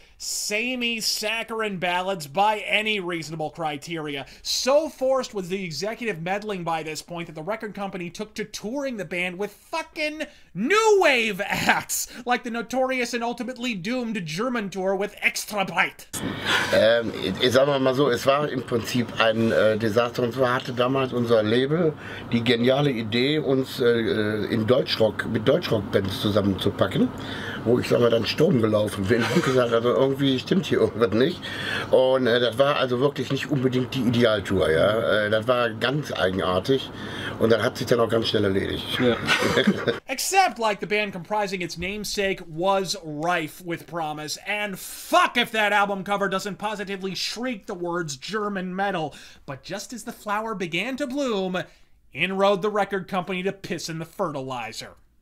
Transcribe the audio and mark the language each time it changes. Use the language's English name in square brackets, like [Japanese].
[English] samey saccharine ballads by any reasonable criteria. So forced was the executive meddling by this point that the record company took to touring the band with fucking new wave acts, like the notorious and ultimately doomed German tour with Extra Bite. [German] Sagen wir mal so, es war im Prinzip ein Desaster. Und zwar hatte damals unser Label die geniale Idee, uns in Deutschrock mit Deutschrock-Bands zusammenzupacken. Wo ich, sag mal, dann Sturm gelaufen bin und gesagt habe, also irgendwie stimmt hier irgendwas nicht. Und das war also wirklich nicht unbedingt die Idealtour, ja. Das war ganz eigenartig und das hat sich dann auch ganz schnell erledigt. Ja. [English] Except like the band comprising its namesake was rife with promise. And fuck if that album cover doesn't positively shriek the words German metal. But just as the flower began to bloom, in rode the record company to piss in the fertilizer.